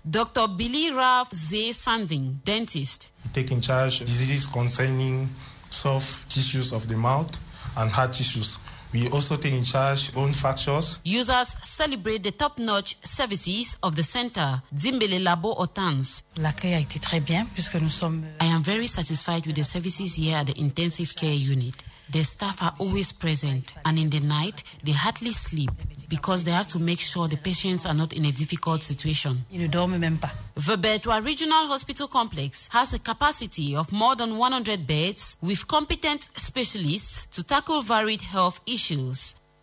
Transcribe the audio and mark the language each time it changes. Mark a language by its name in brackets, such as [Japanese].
[English] Dr. Billy Ralph Z. Sanding, dentist. We take in charge diseases concerning soft tissues of the mouth and heart tissues. We also take in charge bone fractures. Users celebrate the top-notch services of the center, Dzimbele Labo Otans. [French] L'accueil a été très bien puisque nous sommes. [English] I am very satisfied with the services here at the intensive care unit. The staff are always present, and in the night, they hardly sleep because they have to make sure the patients are not in a difficult situation. The Betwa Regional Hospital Complex has a capacity of more than 100 beds with competent specialists to tackle varied health issues.